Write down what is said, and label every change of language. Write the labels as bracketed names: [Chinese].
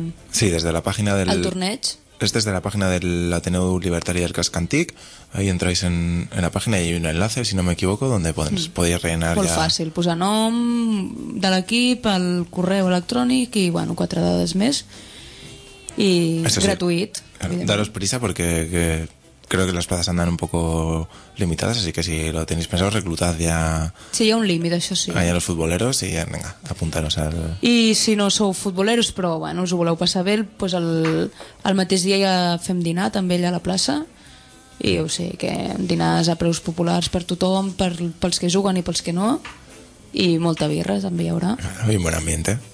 [Catalan] sí, des de la pàgina del torneig. És des de la pàgina de l'Ateneu Libertari del Casc Antic. [Spanish] Ahí entrais en la pàgina [Catalan] i hi ha un enlace, si no m'equivoco, donde podeu rellenar molt ja... fàcil, posar nom de l'equip, el correu electrònic i bueno, quatre dades més. [Spanish] Y eso gratuit. Sí. Daros prisa porque creo que las plazas andan un poco limitadas, así que si lo tenéis pensado, reclutad ya. Sí, hay un límite, eso sí. Hay a los futboleros y venga, apuntaros al. [Catalan] Y si no sou futboleros, pero bueno, os ho voleu passar bé, pues al mateix dia ja fem dinar també allà a la plaça. Y o sigui que dinars a preus populars per tothom, pels que juguen i pels que no. Y molta birra també hi haurà. Y bon ambient.